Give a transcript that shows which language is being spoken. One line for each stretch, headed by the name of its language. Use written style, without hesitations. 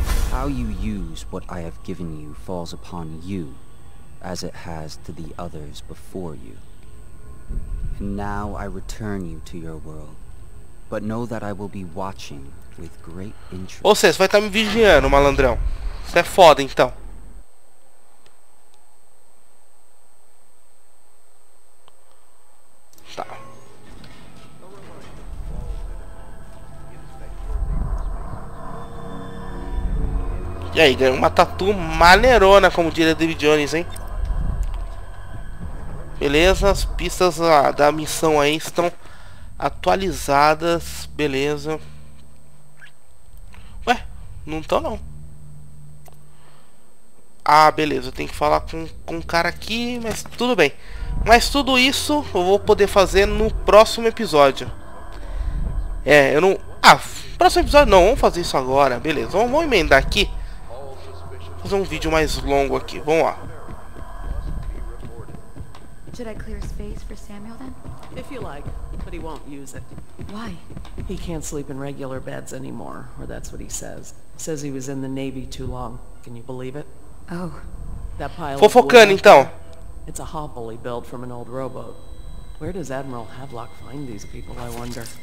English: How you use what I have given you falls upon you, as it has to the others before you. And now I return you to your world. But know that I will be watching. With great interest.
Portuguese: Ou seja, você vai estar me vigiando, malandrão. Você é foda, então. Tá. E aí, ganhou uma tatu maneirona, como diria David Jones, hein? Beleza, as pistas da missão aí estão atualizadas. Beleza. Não tô não. Ah, beleza. Eu tenho que falar com o cara aqui, mas tudo bem. Mas tudo isso eu vou poder fazer no próximo episódio. É, eu não... Ah, próximo episódio não. Vamos fazer isso agora. Beleza. Vamos emendar aqui. Vou fazer um vídeo mais longo aqui. Vamos lá.
English: Should I clear space for Samuel then? If you like, but he won't use it. Why? He can't sleep in regular beds anymore, or that's what he says. Says he was in the Navy too long. Can you believe it? Oh. That pile.
Portuguese: Fofocando então.
English: It's a hovel he built from an old rowboat. Where does Admiral Havelock find these people, I wonder?